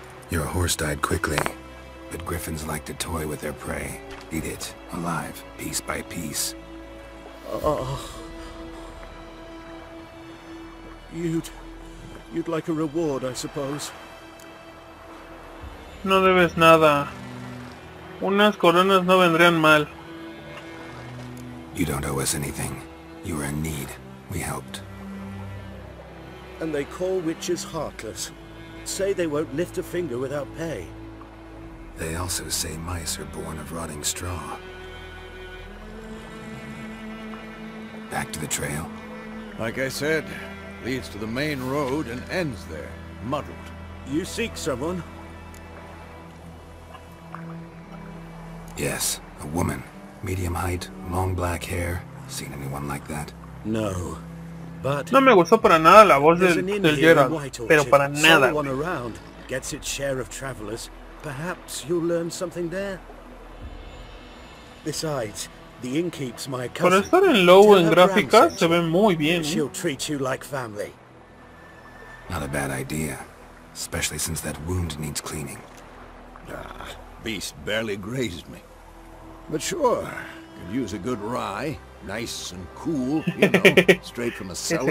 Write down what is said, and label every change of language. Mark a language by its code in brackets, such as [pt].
[en] Your horse died quickly, but griffins like to toy with their prey. Eat it, alive, piece by piece. Oh. You'd like a reward, I suppose. [es] No debes nada. Unas coronas no vendrían mal. [en] You don't owe us anything. You were in need. We helped. And they call witches heartless. Say they won't lift a finger without pay. They also say mice are born of rotting straw. Back to the trail. Like I said, leads to the main road and ends there, muddled. You seek someone? Yes, a woman. Medium height, long black hair. Seen anyone like that? No, but... [es] No me gustó para nada la voz del Geralt, pero para nada. [en] Someone around gets its share of travelers. Perhaps you'll learn something there? Besides, the innkeep's my cousin. [es] Para estar en low en gráficas se ve muy bien. [en] She'll treat you like family. Not a bad idea, especially since that wound needs cleaning. Ah, beast barely grazed me. But sure, could use a good rye, nice and cool, you know, straight from a cellar.